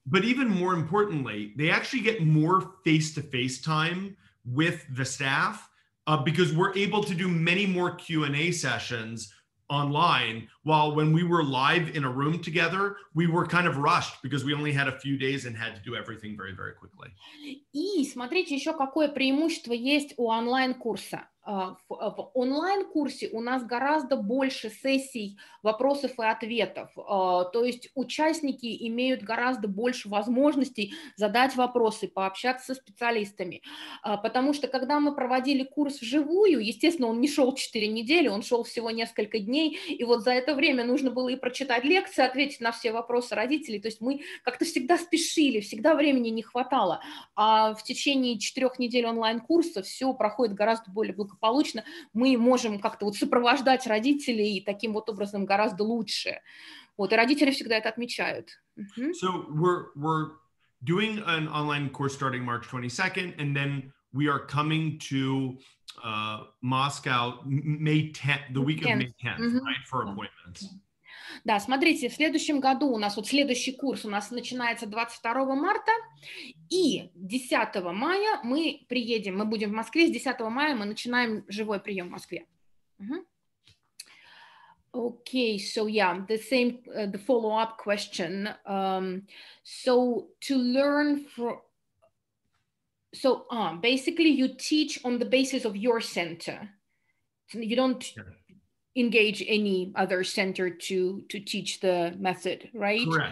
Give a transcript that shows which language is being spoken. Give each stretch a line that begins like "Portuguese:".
English: But even more importantly, they actually get more face-to-face time with the staff, because we're able to do many more Q&A sessions online, while when we were live in a room together, we were kind of rushed because we only had a few days and had to do everything very, very quickly.
Russian: И смотрите, еще какое преимущество есть у онлайн-курса. В онлайн-курсе у нас гораздо больше сессий вопросов и ответов. То есть участники имеют гораздо больше возможностей задать вопросы, пообщаться со специалистами. Потому что когда мы проводили курс вживую, естественно, он не шел 4 недели, он шел всего несколько дней, и вот за это время нужно было и прочитать лекции, ответить на все вопросы родителей. То есть мы как-то всегда спешили, всегда времени не хватало. А в течение 4 недель онлайн-курса все проходит гораздо более благополучно, мы можем как-то вот сопровождать родителей таким вот образом гораздо лучше. Вот, и родители всегда это отмечают.
English: So we're doing an online course starting March 22nd, and then we are coming to Moscow May 10th, the week of May 10th, right, for appointments.
Russian: Да, смотрите, в следующем году у нас вот следующий курс у нас начинается 22 марта, и 10 мая мы приедем, мы будем в Москве, с 10 мая мы начинаем живой прием в Москве.
English: Okay, so yeah, the same, the follow-up question. So to learn from, so basically you teach on the basis of your center. You don't engage any other center to teach the method, right?